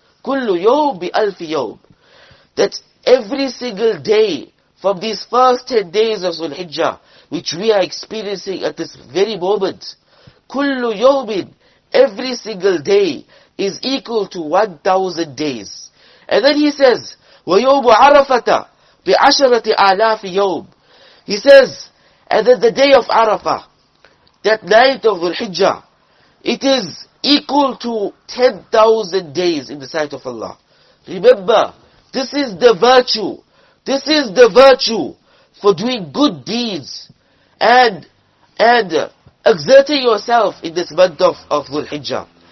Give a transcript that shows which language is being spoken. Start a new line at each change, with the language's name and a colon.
Arabic: Kullu yawm bi alfi yawm.
English: That every single day from these first 10 days of Dhul Hijjah, which we are experiencing at this very moment, kullu yawmin, every single day, is equal to 1,000 days. And then he says,
Arabic: وَيَوْمُ عَرَفَةَ بِعَشَرَةِ أَعْلَافِ يَوْمٍ.
English: He says, and then the day of Arafah, that night of Dhul Hijjah, it is equal to 10,000 days in the sight of Allah. Remember, this is the virtue. This is the virtue for doing good deeds and exerting yourself in this month of Dhul Hijjah.